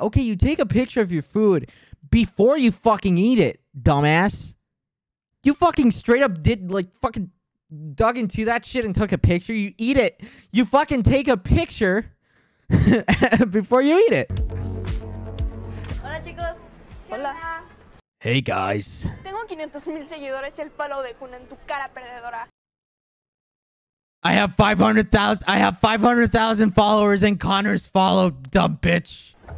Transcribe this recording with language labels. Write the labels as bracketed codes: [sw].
[en] Okay, you take a picture of your food before you fucking eat it, dumbass. You fucking straight up did, like, fucking dug into that shit and took a picture. You eat it. You fucking take a picture before you eat it. [es] Hola, chicos. Hola. [en] Hey, guys. [es] Tengo 500,000 seguidores y el palo de cuna en tu cara, perdedora. [en] I have 500,000. I have 500,000 followers, and Connor's followed, dumb bitch.